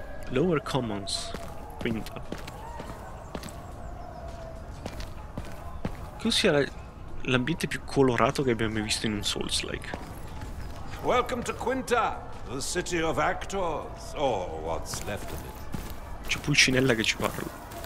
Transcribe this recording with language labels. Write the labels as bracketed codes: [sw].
[it] Lower Commons, quinta. Così era l'ambiente più colorato che abbiamo mai visto in un Souls-like. [en] Welcome to Quinta, the city of actors, or what's left of it. [it] C'è Pulcinella che ci parla.